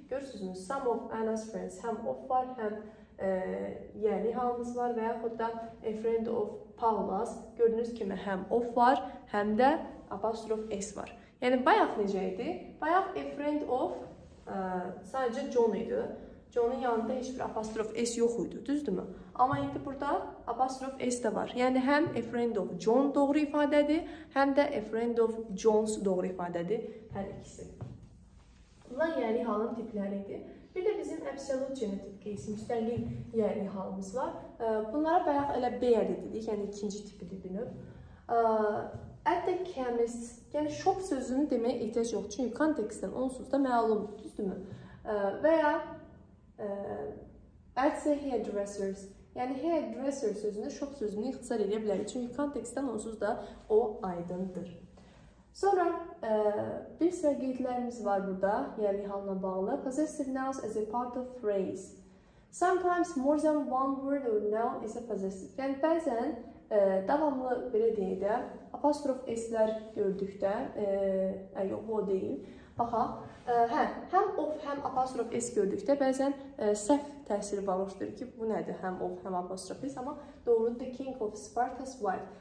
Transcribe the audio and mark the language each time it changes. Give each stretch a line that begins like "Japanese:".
Azerbaijani: Görürsünüz,
English: some of Anna's friends,
Azerbaijani: həm of var, həm yerli halımız var və yaxud da
English: a friend of Paula's.
Azerbaijani: Gördüyünüz kimi həm of var, həm də apostrof s var. Yəni, bayaq necə idi? Bayaq
English: a friend of
Azerbaijani: sadəcə John idi. John'un yanında heç bir apostrof s yox idi, düzdür mü? Amma indi burada apostrof s də var. Yəni, həm
English: a friend of John
Azerbaijani: doğru ifadədir, həm də
English: a friend of John's
Azerbaijani: doğru ifadədir hər ikisi. Bunlar yerli halın tipləridir. Bir də bizim
English: absolute genitive case,
Azerbaijani: müstəqil yerli halımız var. Bunlara bayaq elə bear dedik, yəni ikinci tipidir bir növ.
English: At the chemist,
Azerbaijani: yəni shop sözünü deməyə ehtiyac yox, çünki kontekstdən onsuz da məlumdur, düzdür mü? Və ya
English: at the hairdressers,
Azerbaijani: yəni hairdresser sözünü shop sözünü ixtisar edə bilərik, çünki kontekstdən onsuz da o aydındır. Sonra bir sıra qeydlərimiz var burada, yerli halına bağlı.
English: Possessive nouns as a part of phrase. Sometimes more than one word or noun is a possessive.
Azerbaijani: Yəni bəzən davamlı belə deyə də apostrof s-lər gördükdə, yox bu o deyil. Baxaq, həm of, həm apostrof s gördükdə bəzən səhv təsiri bağışdırır ki, bu nədir həm of, həm apostrof s, amma doğru
English: the king of Sparta's wife.